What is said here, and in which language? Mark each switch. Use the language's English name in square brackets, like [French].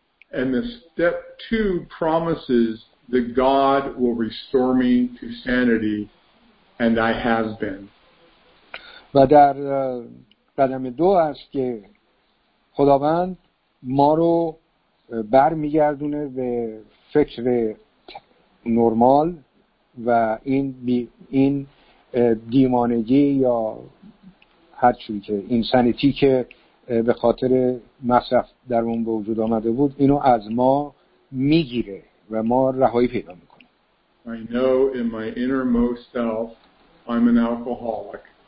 [English] And the step two promises that God will restore me to sanity, and I have been. [Persian] و در قدم دو است که خداوند ما رو بر میگردونه به فکر نرمال و این دیوانگی یا هر چیزی که انسانیتی که به خاطر مصرف در اون به وجود آمده بود اینو از ما میگیره و ما رهایی پیدا میکنه. [English] I know in my innermost self I'm an alcoholic.